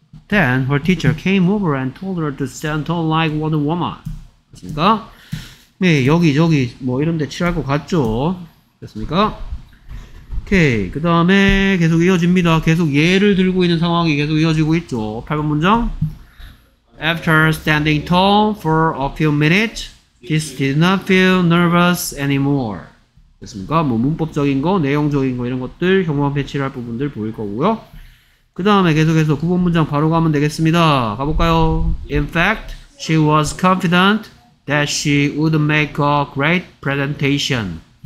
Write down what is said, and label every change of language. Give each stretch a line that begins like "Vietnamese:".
English: Then her teacher came over and told her to stand tall like Wonder Woman.
Korean: 됐습니까? 네, 여기저기 뭐 이런 데 칠할 것 같죠? 됐습니까? 오케이, 그 다음에 계속 이어집니다. 계속 예를 들고 있는 상황이 계속 이어지고 있죠. 8번 문장.
English: After standing tall for a few minutes, this did not feel nervous anymore.
Korean: 됐습니까? 뭐 문법적인 거, 내용적인 거 이런 것들 경험 배치를 할 부분들 보일 거고요. 그 다음에 계속해서 9번 문장 바로 가면 되겠습니다. 가볼까요?
English: In fact, she was confident that she would make a great presentation.